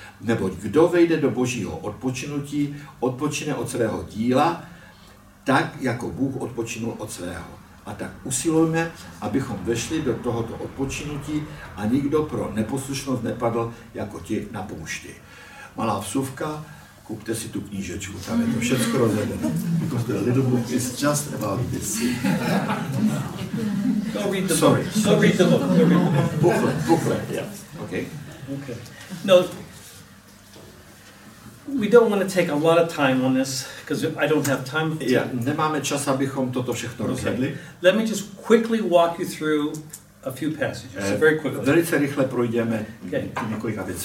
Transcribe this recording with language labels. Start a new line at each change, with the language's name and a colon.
Czech: Neboť kdo vejde do Božího odpočinutí, odpočine od svého díla, tak jako Bůh odpočinul od svého. A tak usilujme, abychom vešli do tohoto odpočinutí a nikdo pro neposlušnost nepadl jako ti na poušti. Malá vsuvka, kupte si tu knížečku, tam je to všechno rozvedené.
English: Because the little book is just about this. Go read the book. Sorry. Go read the book. Booklet, yeah. Okay. Okay. No. We don't want to take a lot of time on this because I don't have time.
Czech: Yeah, nemáme čas, abychom toto všechno rozvedli.
English: Let me just quickly walk you through a few passages. Very quickly.
Czech: Velice rychle projdeme několika věcí.